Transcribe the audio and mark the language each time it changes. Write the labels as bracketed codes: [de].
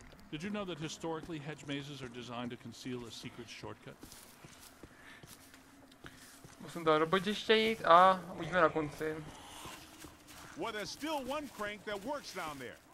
[en] Did you know that historically hedge mazes are designed to conceal a secret shortcut? [cs] Musím do robotiště jít a uvidíme na konci. [en] Well, there's still one crank that works down there.